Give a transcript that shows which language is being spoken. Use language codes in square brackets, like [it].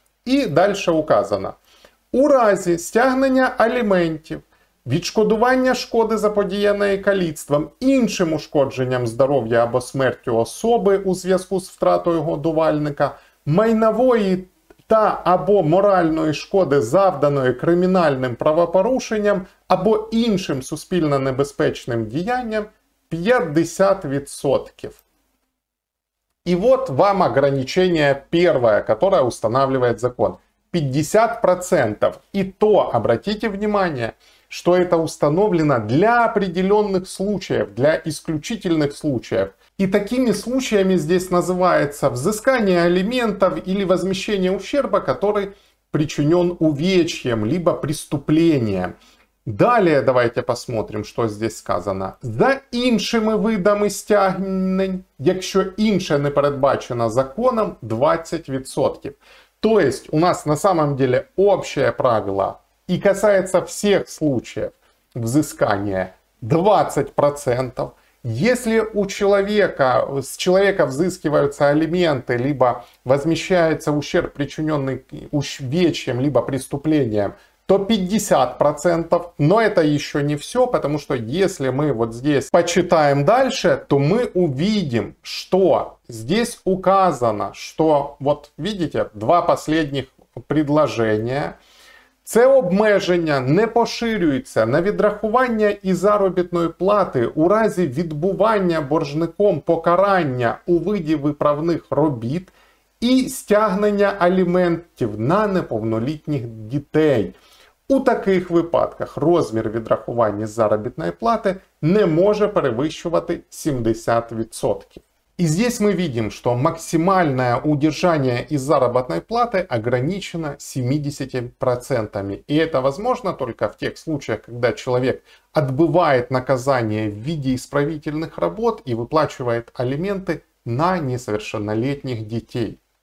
[uk] І далі указано. У разі стягнення аліментів, відшкодування шкоди, заподіяної каліцтвом, іншим ушкодженням здоров'я або смертю особи у зв'язку з втратою годувальника, майнової та або моральної шкоди, завданої кримінальним правопорушенням або іншим суспільно небезпечним діянням, 50%. І от вам ограничення перше, яке встановлює закон. 50%. [ru] І то, обратите внимание, [uk] що це встановлено [ru] для определенных случаев, для исключительных случаев. И такими случаями здесь называется взыскание алиментов или возмещение ущерба, который причинен увечьем, либо преступлением. Далее давайте посмотрим, що здесь сказано. [uk] За іншими видами стягнень, якщо інше не передбачено законом, 20%. [ru] То есть у нас на самом деле общее правило и касается всех случаев взыскания 20%. Если у человека, с человека взыскиваются алименты, либо возмещается ущерб, причиненный увечьем, либо преступлением, то 50%. Но это еще не все, потому что если мы вот здесь почитаем дальше, то мы увидим, что здесь указано, что вот видите, два последних предложения. [uk] Це обмеження не поширюється на відрахування і заробітної плати у разі відбування боржником покарання у виді виправних робіт і стягнення аліментів на неповнолітніх дітей. У таких випадках розмір відрахування заробітної плати не може перевищувати 70%. [ru] И здесь мы видим, что максимальное удержание из заработной платы ограничено 70%. И это возможно только в тех случаях, когда человек отбывает наказание в виде исправительных работ и выплачивает алименты на несовершеннолетних детей.